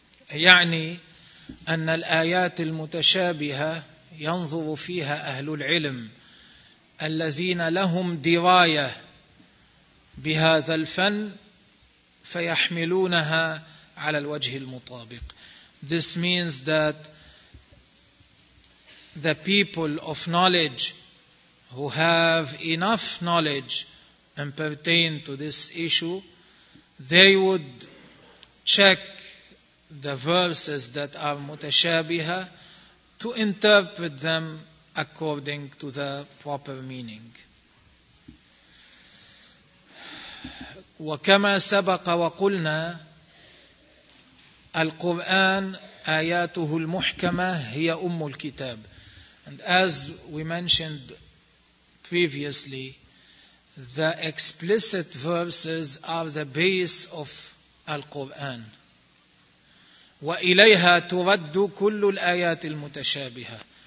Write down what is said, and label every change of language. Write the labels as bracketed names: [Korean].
[Arabic] يعني أن الآيات المتشابهة ينظر فيها أهل العلم الذين لهم دراية بهذا الفن فيحملونها على الوجه المطابق. [English] This means that the people of knowledge who have enough knowledge and pertain to this issue, they would check the verses that are mutashabiha to interpret them according to the proper meaning. [Arabic] وكما سبق وقلنا القرآن آياته المحكمة هي أم الكتاب. [English] And as we mentioned previously, the explicit verses are the base of Al-Quran. [Arabic] وإليها ترد كل الآيات المتشابهة.